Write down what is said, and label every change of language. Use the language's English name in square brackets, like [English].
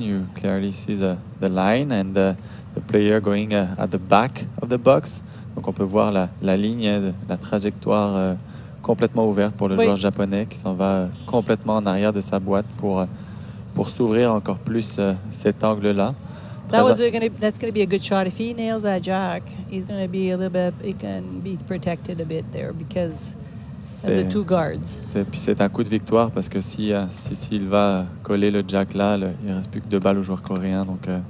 [English] You clearly see the line and the player going at the back of the box. [French] Donc on peut voir la ligne, la trajectoire complètement ouverte pour le joueur japonais qui s'en va complètement en arrière de sa boîte pour s'ouvrir encore plus cet angle-là. [English] That's going to be a good shot. If he nails that jack, he's going to be a little bit, he can be protected a bit there because. [French] C'est un coup de victoire parce que s'il va coller le jack là, il ne reste plus que deux balles au joueur coréen. Donc,